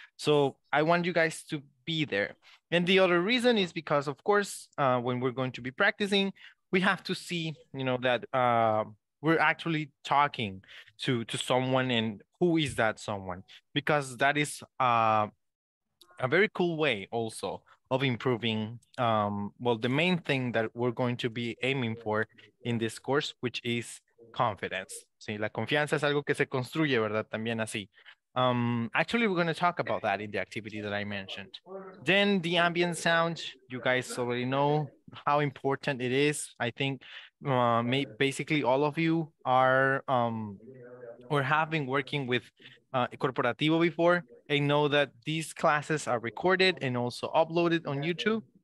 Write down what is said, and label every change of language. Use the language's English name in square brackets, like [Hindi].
[English] So I want you guys to be there. And the other reason is because, of course, when we're going to be practicing, we have to see, you know, that we're actually talking to someone, and who is that someone? Because that is a very cool way also of improving, well, the main thing that we're going to be aiming for in this course, which is confidence. [Spanish] Sí, la confianza es algo que se construye, ¿verdad? También así. [English] Actually, we're going to talk about that in the activity that I mentioned. Then the ambient sound, you guys already know how important it is. I think basically all of you are or have been working with Corporativo before, and know that these classes are recorded and also uploaded on YouTube.